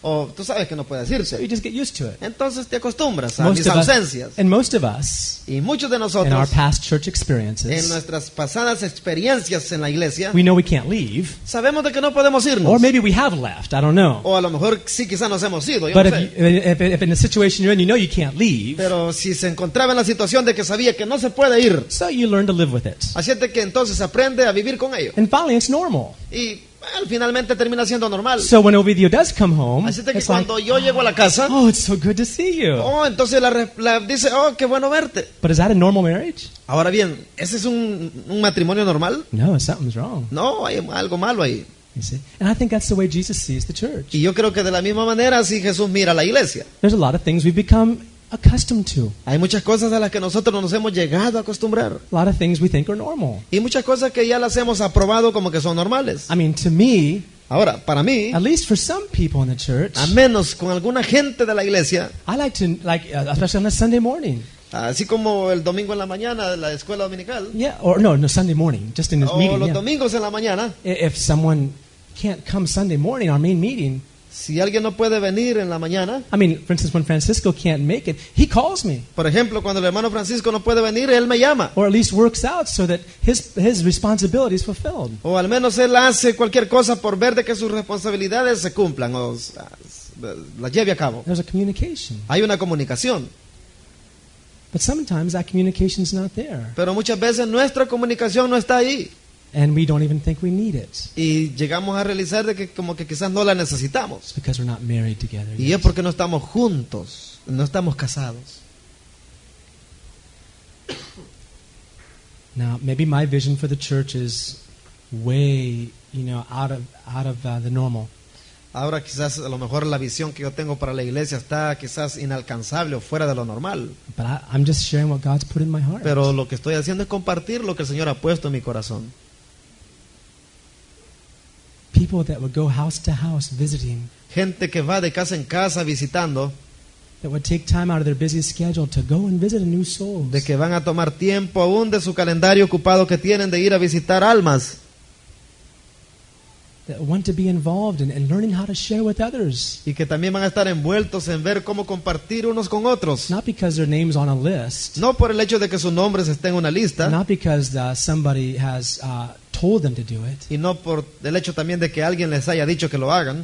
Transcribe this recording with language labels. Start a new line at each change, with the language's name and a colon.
Spanish: O tú sabes que no puedes irse.
English: So you just get used to it.
Spanish: Entonces te acostumbras a mis ausencias.
English: And most of us,
Spanish: y muchos de nosotros,
English: in our past church experiences,
Spanish: en nuestras pasadas experiencias en la iglesia,
English: we know we can't leave.
Spanish: Sabemos de que no podemos irnos.
English: Or maybe we have left. I don't know.
Spanish: O a lo mejor sí, quizá nos hemos ido.
English: But
Spanish: yo
English: if in the situation you're in, you know you can't leave.
Spanish: Pero si se encontraba en la situación de que sabía que no se puede ir.
English: So you learn to live with it.
Spanish: Así es que entonces aprende a vivir con ello.
English: And finally, it's normal.
Spanish: Y bueno, finalmente termina siendo normal.
English: So when Ovidio does come home,
Spanish: así es que cuando yo llego a la casa,
English: oh, it's so good to see you.
Spanish: Oh, entonces la dice, oh, qué bueno verte.
English: But is that a normal marriage?
Spanish: Ahora bien, ¿ese es un matrimonio normal?
English: No, something's wrong.
Spanish: No, hay algo malo ahí.
English: You see? And I think that's the way Jesus sees the church.
Spanish: Y yo creo que de la misma manera así Jesús mira la iglesia.
English: There's a lot of things we've become accustomed to.
Spanish: Hay muchas cosas a las que nosotros nos hemos llegado a acostumbrar.
English: A lot of things we think are normal.
Spanish: Y muchas cosas que ya las hemos aprobado como que son normales.
English: I mean, to me,
Spanish: ahora, para mí,
English: at least for some people in the church,
Spanish: a menos con alguna gente de la iglesia,
English: I like to, like, especially on a Sunday morning.
Spanish: Así como el domingo en la mañana de la escuela dominical.
English: Yeah, or no, Sunday morning, just in this meeting.
Spanish: O los
English: yeah.
Spanish: domingos en la mañana.
English: If someone can't come Sunday morning, our main meeting,
Spanish: si alguien no puede venir en la mañana,
English: I mean, for instance, when Francisco can't make it, he calls me.
Spanish: Por ejemplo, cuando el hermano Francisco no puede venir, él me llama.
English: Or at least works out so that his responsibility is fulfilled.
Spanish: O al menos él hace cualquier cosa por ver de que sus responsabilidades se cumplan o las lleve a cabo.
English: There's a communication.
Spanish: Hay una comunicación.
English: But sometimes that communication is not there.
Spanish: Pero muchas veces nuestra comunicación no está ahí.
English: And we don't even think we need it.
Spanish: Y llegamos a realizar de que como que quizás no la necesitamos.
English: Because we're not married together.
Spanish: Y es porque no estamos juntos, no estamos casados.
English: Now, maybe my vision for the church is way, you know, out of the normal.
Spanish: Ahora quizás a lo mejor la visión que yo tengo para la iglesia está quizás inalcanzable o fuera de lo normal.
English: But I'm just sharing what God's put in my heart.
Spanish: Pero lo que estoy haciendo es compartir lo que el Señor ha puesto en mi corazón.
English: People that would go house to house visiting.
Spanish: Gente que va de casa en casa visitando.
English: That would take time out of their busy schedule to go and visit a new soul.
Spanish: De que van a tomar tiempo aún de su calendario ocupado que tienen de ir a visitar almas.
English: That want to be involved in learning how to share with others.
Spanish: Y que también van a estar envueltos en ver cómo compartir unos con otros.
English: Not because their name's on a list.
Spanish: No por el hecho de que sus nombres estén en una lista.
English: Not because somebody has told them to do it.
Spanish: Y no por el hecho también de que alguien les haya dicho que lo hagan.